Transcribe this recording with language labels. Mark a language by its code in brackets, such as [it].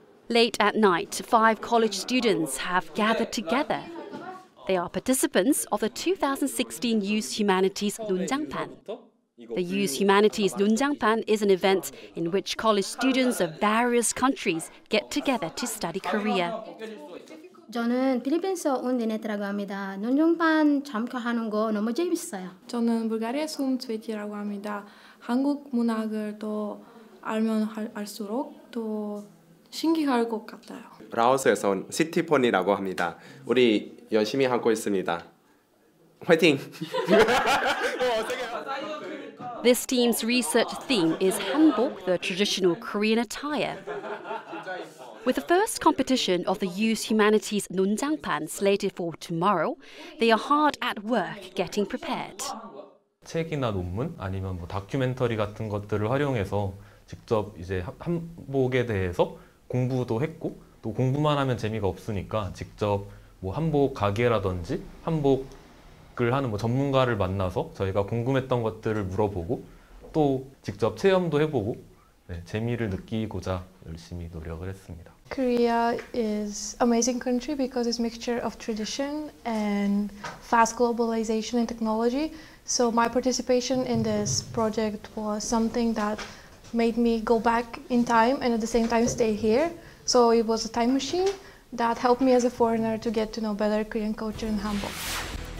[en] Late at night, five college students have gathered together. They are participants of the 2016 Youth Humanities 논장판. The Youth Humanities 논장판 is an event in which college students of various countries get together to study Korea. [ko] 저는 필리핀에서 온 니네트라고 합니다. 논장판 참가하는 거 너무 재밌어요. 저는 불가리아에서 온 트위키라고 합니다. 한국 문학을 더 알면 알수록 더 신기할 것 같아요. 브라우스에서 온 시티폰이라고 합니다. 우리 열심히 하고 있습니다. 화이팅! [en] This team's research theme is hanbok, the traditional Korean attire. With the first competition of the Youth Humanities 논장판 slated for tomorrow, they are hard at work getting prepared. [ko] 책이나 논문 아니면 뭐 다큐멘터리 같은 것들을 활용해서 직접 이제 한복에 대해서 공부도 했고 또 공부만 하면 재미가 없으니까 직접 뭐 한복 가게라든지 한복을 하는 뭐 전문가를 만나서 저희가 궁금했던 것들을 물어보고 또 직접 체험도 해보고 네, 재미를 느끼고자 열심히 노력을 했습니다. [en] Korea is amazing country because it's a mixture of tradition and fast globalization and technology. So my participation in this project was something that made me go back in time and at the same time stay here. So it was a time machine that helped me as a foreigner to get to know better Korean culture and hanbok.